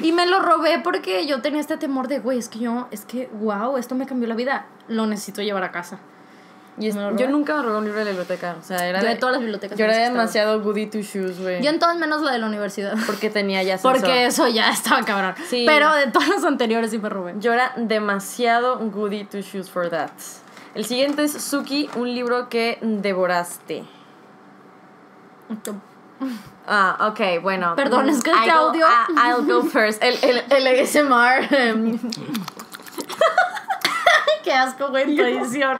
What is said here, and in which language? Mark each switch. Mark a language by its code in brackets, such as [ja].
[es] Y me lo robé porque yo tenía este temor de, güey, es que, wow, esto me cambió la vida. Lo necesito llevar a casa. Y yo nunca me robé un libro de la biblioteca. O sea, era de todas las bibliotecas. Yo era demasiado [en] goody two shoes, [es] güey. Yo en todas menos la de la universidad. Porque tenía ya ascensor. Porque eso ya estaba cabrón. Sí. Pero de todas las anteriores sí me robé. Yo era demasiado [en] goody two shoes for that. [es] El siguiente es Suki, un libro que devoraste. Ah, ok, bueno. Perdón, es que este audio. [en] I'll go first. [es] El ASMR. Qué asco, güey, tradición.